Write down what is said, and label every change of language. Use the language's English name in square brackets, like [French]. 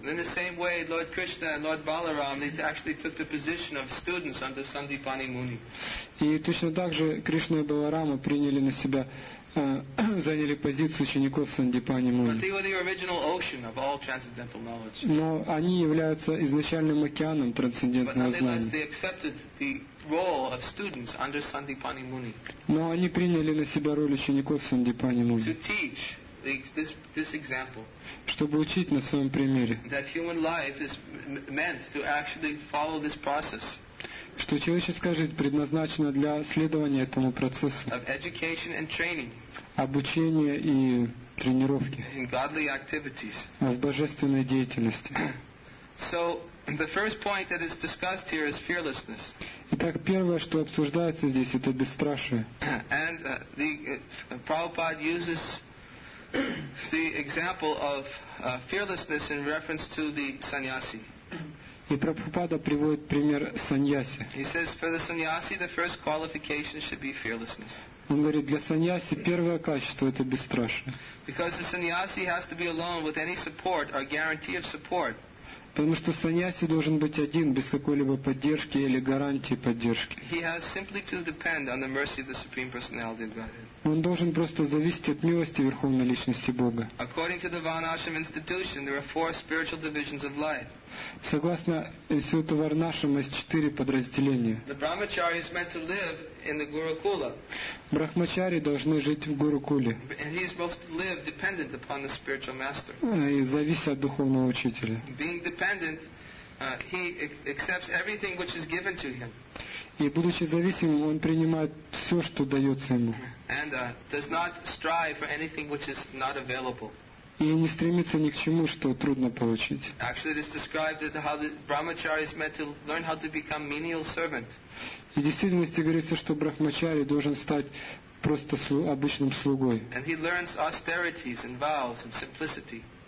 [English] In the same way, Lord Krishna and Lord Balaram, they actually took the position of students under Sandipani Muni. [Russian] И точно так же Кришна и Баларама приняли на себя, заняли позицию учеников Сандипани Муни. [English] But they were the original ocean of all transcendental knowledge. [Russian] Но они являются изначальным океаном трансцендентного знания. [English] But they accepted the role of students under Sandipani Muni. [Russian] Но они приняли на себя роль учеников Сандипани Муни. [English] To teach this example. [Russian] Чтобы учить на своем примере. [English] That human life is meant to actually follow this process. [Russian] Что человеческая жизнь предназначена для следования этому процессу. [English] Of education and training. [Russian] Обучение и тренировки. [English] In godly activities. [Russian] В божественной деятельности. [English] So the first point that is discussed here is fearlessness. [Russian] Итак, первое, что обсуждается здесь, это бесстрашие. [English] And Prabhupada uses the example of fearlessness in reference to the sannyasi. [Russian] И Прабхупада приводит пример саньяси. [English] He says for the sannyasi the first qualification should be fearlessness. [Russian] Он говорит, для саньяси первое качество это бесстрашие. [English] Because the sannyasi has to be alone with any support or guarantee of support. [Russian] Потому что саньяси должен быть один без какой-либо поддержки или гарантии поддержки. [English] He has simply to depend on the mercy of the supreme personality of Godhead. [Russian] Он должен просто зависеть от милости Верховной Личности Бога. [English] According to the Varnashram institution, there are four spiritual divisions of life. [Russian] Согласно институту Варнашрама, есть четыре подразделения. [English] The Brahmachari is meant to live in the Gurukula. [Russian] Брахмачари должны жить в Гурукуле. [English] And he is supposed to live dependent upon the spiritual master. [Russian] И зависит от духовного учителя. [English] Being dependent, he accepts everything which is given to him. [Russian] И будучи зависимым, он принимает все, что дается ему. [English] And does not strive for anything which is not available. [Russian] И не стремится ни к чему, что трудно получить. [English] Actually, it is described that how the brahmachari is meant to learn how to become menial servant. [Russian] И в действительности говорится, что брахмачари должен стать просто обычным слугой. [English] And he learns austerities and vows and simplicity.